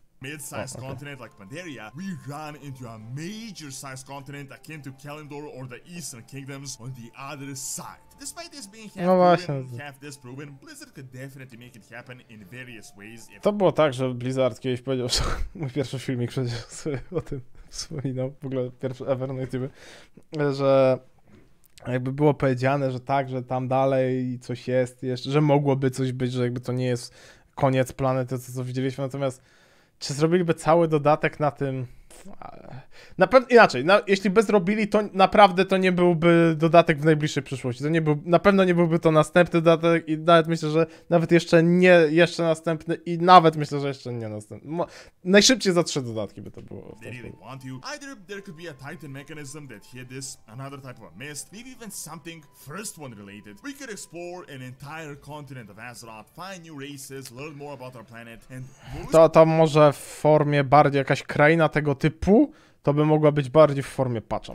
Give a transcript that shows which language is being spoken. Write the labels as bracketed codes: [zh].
[en] Mid-sized continent like Pandaria, we ran into a major sized continent akin to Kalimdor or the Eastern Kingdoms on the other side. Despite this being half proven, half disproven, Blizzard could definitely make it happen in various ways. [pl] To było tak, że Blizzard kiedyś powiedział, że mój pierwszy filmik przecież o tym wspominał, w ogóle pierwszy ever na YouTube, że jakby było powiedziane, że tak, że tam dalej coś jest jeszcze, że mogłoby coś być, że jakby to nie jest koniec planety, to co widzieliśmy, natomiast czy zrobiliby cały dodatek na tym? Na pewno inaczej, jeśli by zrobili, to naprawdę to nie byłby dodatek w najbliższej przyszłości. To nie był, na pewno nie byłby to następny dodatek i nawet myślę, że nawet jeszcze nie jeszcze następny i nawet myślę, że jeszcze nie następny. Najszybciej za 3 dodatki by to było. [en] Either there could be a Titan mechanism that hid this, another type of a mist, maybe even something first one related. We could explore an entire continent of Azeroth, find new races, learn more about our planet and [pl] to może w formie bardziej jakaś kraina tego typu, to by mogła być bardziej w formie patcha,